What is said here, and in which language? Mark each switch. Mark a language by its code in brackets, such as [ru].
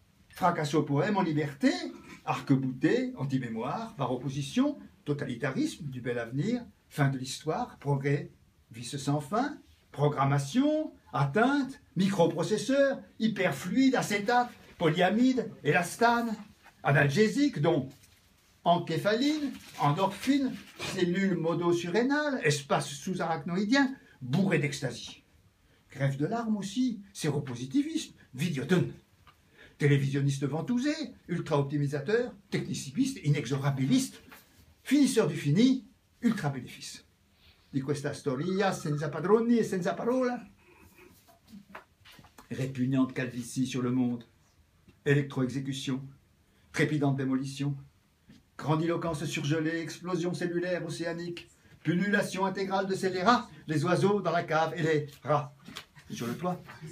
[fr] Fracasse au poème en liberté, arc-bouté, anti-mémoire, par opposition, totalitarisme du bel avenir, fin de l'histoire, progrès, vice sans fin, programmation, atteinte, microprocesseur, hyperfluide, acétate, polyamide, élastane, analgésique, dont encéphaline, endorphine, cellule modo-surrénale, espace sous-arachnoïdien, bourré d'extasie. Grève de larmes aussi, séropositivisme, vidiotone. Télévisionniste ventousé, ultra-optimisateur, technicipiste, inexorabiliste, finisseur du fini, ultra-bénéfice. [it] Di questa storia senza padroni e senza parola. [fr] Répugnante calvitie sur le monde, électro-exécution, trépidante démolition, grandiloquence surgelée, explosion cellulaire océanique, pullulation intégrale de scélérats, les oiseaux dans la cave et les rats sur le toit.